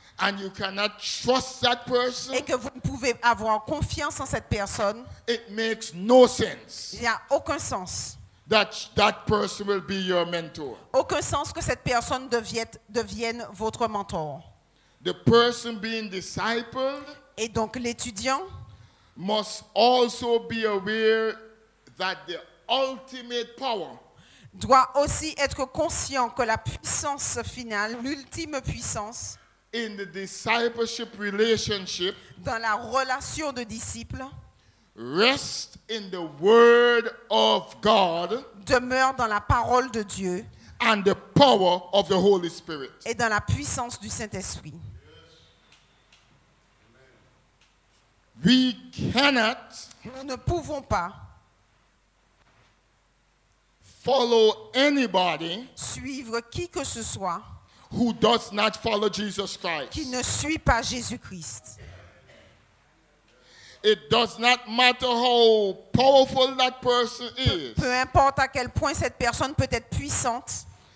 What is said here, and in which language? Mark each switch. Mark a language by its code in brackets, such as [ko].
[en] and you cannot trust that person, [fr] et que vous ne pouvez avoir confiance en cette personne, [en] it makes no sense. [fr] Il n'y a aucun sens. [en] That person will be your mentor. [fr] Aucun sens que cette personne devienne votre mentor. [en] The person being discipled, [fr] et donc l'étudiant, [en] must also be aware that the ultimate power, [fr] doit aussi être conscient que la puissance finale, l'ultime puissance, [en] in the discipleship relationship, [fr] dans la relation de disciple, [en] rest in the word of God, [fr] demeure dans la parole de Dieu, [en] and the power of the Holy Spirit, [fr] et dans la puissance du Saint-Esprit. [en] We cannot, [fr] nous ne pouvons pas, [en] follow anybody, [fr] suivre qui que ce soit, [en] who does not follow Jesus Christ, [fr] qui ne suit pas Jésus-Christ. [en] It does not matter how powerful that person is. [fr] Peu importe à quel point cette personne peut être puissante.